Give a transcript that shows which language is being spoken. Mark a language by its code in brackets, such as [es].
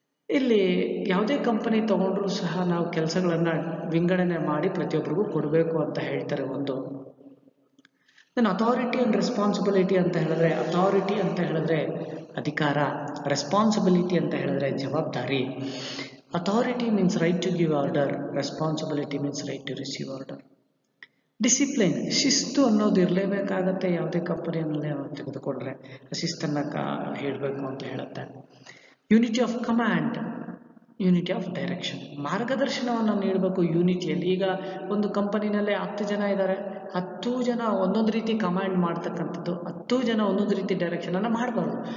[kn] ಇಲ್ಲಿ ಯಾವುದೇ ಕಂಪನಿ ತೊಗೊಂಡ್ರೂ ಸಹ ನಾವು ಕೆಲಸಗಳನ್ನು ವಿಂಗಡಣೆ ಮಾಡಿ ಪ್ರತಿಯೊಬ್ಬರಿಗೂ ಕೊಡಬೇಕು ಅಂತ ಹೇಳ್ತಾರೆ ಒಂದು. ದೆನ್ ಅಥಾರಿಟಿ ಆ್ಯಂಡ್ ರೆಸ್ಪಾನ್ಸಿಬಿಲಿಟಿ ಅಂತ ಹೇಳಿದ್ರೆ, ಅಥಾರಿಟಿ ಅಂತ ಹೇಳಿದ್ರೆ ಅಧಿಕಾರ, ರೆಸ್ಪಾನ್ಸಿಬಿಲಿಟಿ ಅಂತ ಹೇಳಿದ್ರೆ ಜವಾಬ್ದಾರಿ. [en] Authority means right to give order, responsibility means right to receive order. [kn] Discipline, ಶಿಸ್ತು ಅನ್ನೋದು ಇರಲೇಬೇಕಾಗತ್ತೆ ಯಾವುದೇ ಕಂಪನಿಯಲ್ಲಿ ತೆಗೆದುಕೊಂಡ್ರೆ, ಶಿಸ್ತನ್ನು ಹೇಳಬೇಕು ಅಂತ ಹೇಳುತ್ತೆ. [en] unity of command, unity of direction, [kn] ಮಾರ್ಗದರ್ಶನವನ್ನು ನೀಡಬೇಕು ಯೂನಿಟಿಯಲ್ಲಿ. ಈಗ ಒಂದು ಕಂಪನಿನಲ್ಲೇ 10 ಜನ ಇದ್ದಾರೆ, 10 ಜನ ಒಂದೊಂದು ರೀತಿ ಕಮ್ಯಾಂಡ್ ಮಾಡ್ತಕ್ಕಂಥದ್ದು, 10 ಜನ ಒಂದೊಂದು ರೀತಿ ಡೈರೆಕ್ಷನನ್ನು ಮಾಡಬಾರ್ದು.